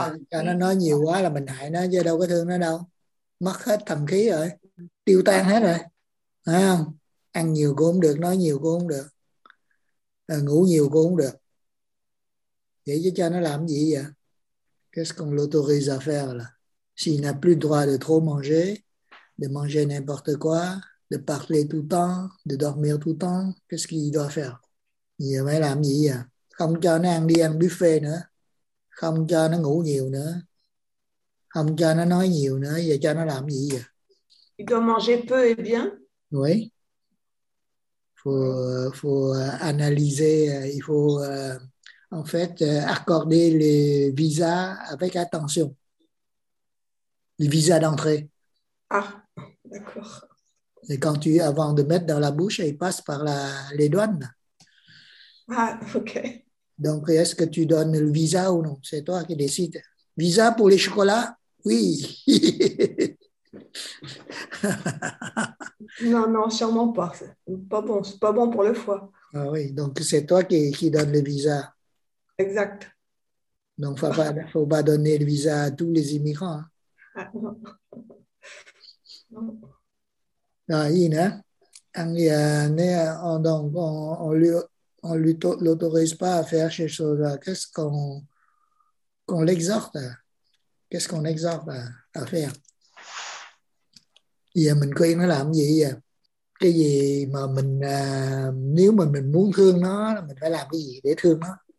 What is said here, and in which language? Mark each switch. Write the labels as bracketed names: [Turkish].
[Vietnamese] Cho nó nói nhiều quá là mình hại nó chứ đâu có thương nó đâu. Mất hết thần khí rồi. Tiêu tan hết rồi. Phải không? Ăn nhiều cũng không được, nói nhiều cũng không được. À, ngủ nhiều cũng không được. Vậy chứ cho nó làm gì vậy? [French] Qu'est-ce qu'on l'autorise à faire là? S'il n'a plus le droit de trop manger, de manger n'importe quoi, de parler tout le temps, de dormir tout le temps, qu'est-ce qu'il doit faire? [Vietnamese] Vậy mới làm gì vậy? Không cho nó ăn đi ăn buffet nữa, không cho nó ngủ nhiều nữa, không cho nó nói nhiều nữa, giờ cho nó làm gì vậy? [French] Il doit manger peu et bien. Oui. Faut analyser, il faut en fait accorder les visas avec attention. Les visas d'entrée. Ah, d'accord. Et quand tu avant de mettre dans la bouche, il passe par les douanes. Ah, ok. Donc, est-ce que tu donnes le visa ou non? C'est toi qui décides. Visa pour les chocolats? Oui. Non, non, sûrement pas. Pas bon, c'est pas bon pour le foie. Ah oui, donc c'est toi qui donne le visa. Exact. Donc, il ne faut pas donner le visa à tous les immigrants. Hein? Ah, non. Non. Ah, oui, non? Donc, on lui... On ne l'autorise pas à faire ces choses-là. Qu'est-ce qu'on l'exhorte? Qu'est-ce qu'on exhorte à faire? [Vietnamese] Giờ mình khuyên nó làm gì? Cái gì mà mình, nếu mà mình muốn thương nó, mình phải làm cái gì để thương nó?